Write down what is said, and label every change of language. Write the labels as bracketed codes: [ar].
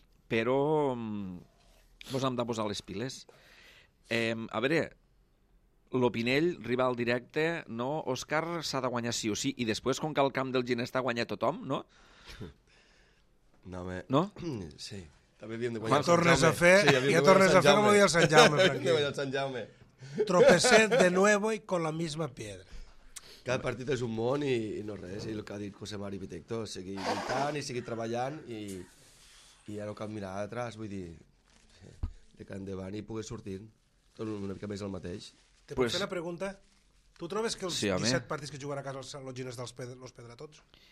[ca] Però ens hem de posar les piles. A veure, l'Opinell, rival directe, no, Òscar, s'ha de guanyar sí o sí, i després, com que el camp del Ginestà guanya tothom, no? No, home. No? Sí. També havíem de guanyar Sant Jaume. Quan tornes a fer, sí, ja tornes a fer com ho diu el Sant Jaume. [es] Tropecé de nuevo y con la misma piedra. [ca] Cada partit és un món i no res. I el que ha dit José Mari Pitecto, seguir lluitant i seguir treballant, i ja no cal mirar atrás, vull dir, de que endavant i pugues sortir. Tot una mica més el mateix. Te puc fer una pregunta? Tu trobes que els 17 partits que jugarà a casa els Gines dels perdrà tots?